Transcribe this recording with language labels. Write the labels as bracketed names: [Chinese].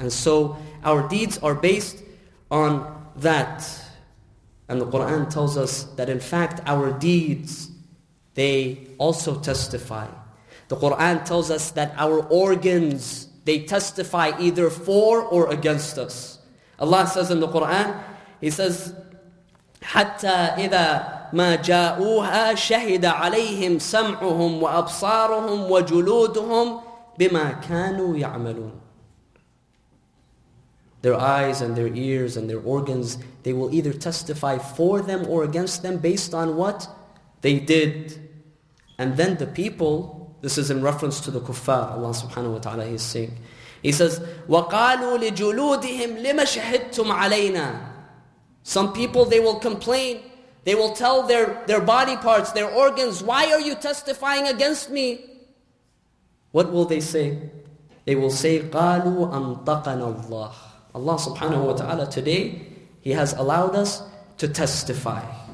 [English] And so our deeds are based on that. And the Quran tells us that in fact our deeds, they also testify. The Quran tells us that our organs, they testify either for or against us. Allah says in the Quran, He says, [Arabic] حَتَّى إِذَا مَا جَاءُوهَا شَهِدَ عَلَيْهِمْ سَمْعُهُمْ وَأَبْصَارُهُمْ وَجُلُودُهُمْ بِمَا كَانُوا يَعْمَلُونَ. [English] Their eyes and their ears and their organs, they will either testify for them or against them based on what they did. And then the people, this is in reference to the kuffar, Allah subhanahu wa ta'ala is saying. He says, [Arabic] وَقَالُوا لِجُلُودِهِمْ لِمَ شَهِدْتُمْ عَلَيْنَا. [English] Some people, they will complain. They will tell their body parts, their organs, why are you testifying against me? What will they say? They will say, [Arabic] قَالُوا أَنْطَقَنَا اللَّهُ. [English] Allah subhanahu wa ta'ala today, He has allowed us to testify.